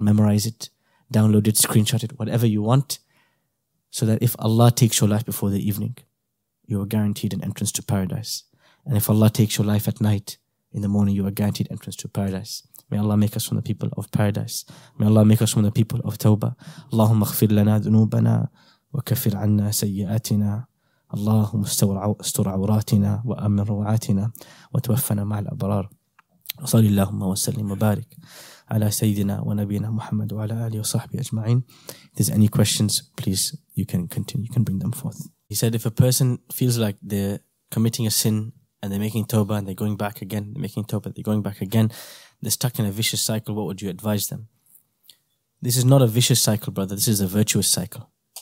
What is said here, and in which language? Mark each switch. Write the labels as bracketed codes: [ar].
[en] Memorize it, download it, screenshot it, whatever you want, so that if Allah takes your life before the evening, you are guaranteed an entrance to paradise. And if Allah takes your life at night, in the morning, you are guaranteed entrance to paradise. May Allah make us from the people of paradise. May Allah make us from the people of tawbah. [ar] Allahumma aghfir lana dhunubana wa kafir anna sayyatina. اللهم استر عوراتنا وأمن روعاتنا وتوفنا مع الأبرار وصلي اللهم وسلم وبارك على سيدنا ونبينا محمد وعلى آله وصحبه أجمعين. [en] If there's any questions, please, you can continue, you can bring them forth. He said, if a person feels like they're committing a sin and they're making tawbah and they're going back again, they're making tawbah, they're going back again, they're stuck in a vicious cycle, what would you advise them? This is not a vicious cycle, brother. This is a virtuous cycle.